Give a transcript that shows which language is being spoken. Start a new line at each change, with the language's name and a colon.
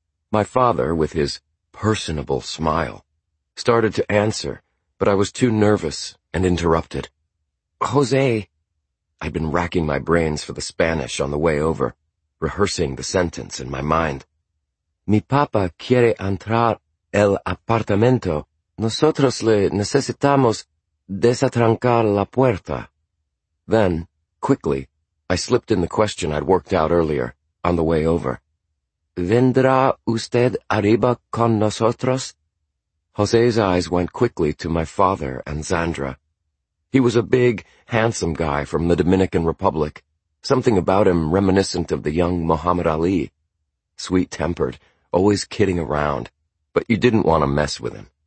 English: My father, with his personable smile, started to answer, but I was too nervous and interrupted. Jose, I'd been racking my brains for the Spanish on the way over, rehearsing the sentence in my mind.
Spanish: Mi papa quiere entrar el apartamento. Nosotros le necesitamos desatrancar la puerta.
English: Then, quickly, I slipped in the question I'd worked out earlier, on the way over.
Spanish: ¿Vendrá usted arriba con nosotros?
English: Jose's eyes went quickly to my father and Xandra. He was a big, handsome guy from the Dominican Republic, something about him reminiscent of the young Muhammad Ali. Sweet-tempered, always kidding around, but you didn't want to mess with him.